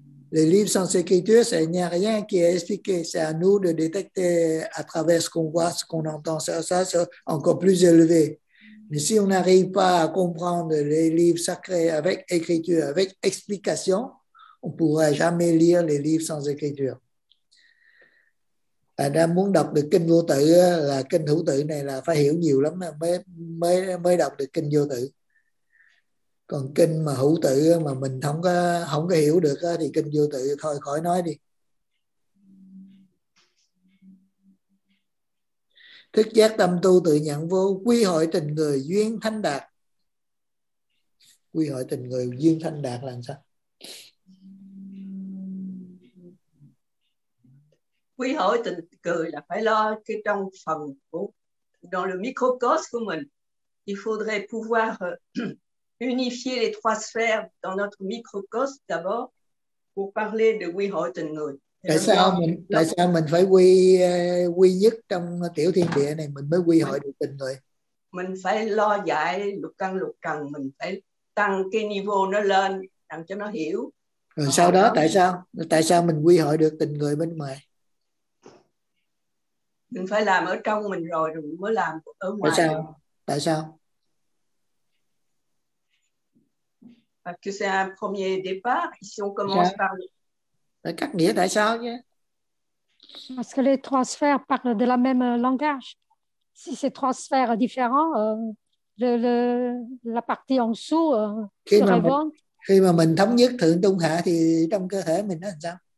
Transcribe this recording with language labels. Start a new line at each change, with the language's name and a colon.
French: Les livres sans écriture, ça, il n'y a rien qui est expliqué. C'est à nous de détecter à travers ce qu'on voit, ce qu'on entend. Ça c'est encore plus élevé. Mais si on n'arrive pas à comprendre les livres sacrés avec écriture, avec explication, on ne pourra jamais lire les livres sans écriture.
Vietnamese: Anh đang muốn đọc được kinh vô tự là kinh hữu tự này là phải hiểu nhiều lắm mới đọc được kinh vô tự. Còn kinh mà hữu tự mà mình không có hiểu được thì kinh vô tự thôi khỏi nói đi. Thức giác tâm tu tự nhận vô, quy hội tình người duyên thanh đạt. Quy hội tình người duyên thanh đạt là sao? Quy hội tình người là phải lo cái trong phần
French: dans le microcosme
Vietnamese: của mình.
French: Il faudrait pouvoir unifier les trois sphères dans notre microcosme d'abord pour parler de quy hội tình người.
Vietnamese: Tại sao mình phải quy nhất trong tiểu thiên địa này mình mới quy hội được tình người? Mình phải lo giải lục căn lục trần, mình phải tăng cái niveau nó lên làm cho nó hiểu. Rồi sau đó tại sao mình quy hội được tình người bên ngoài? Mình phải làm ở trong mình rồi mới làm ở ngoài. Tại sao?
French: Parce que c'est un premier départ. Si on commence par
Vietnamese: le cách nghĩa tại sao nhé?
French: Parce que les trois sphères parlent de la même langage. Si c'est trois sphères différentes, la partie en dessous serait bonne.
Vietnamese: Khi mà mình thống nhất thượng trung hạ thì trong cơ thể mình nó làm sao?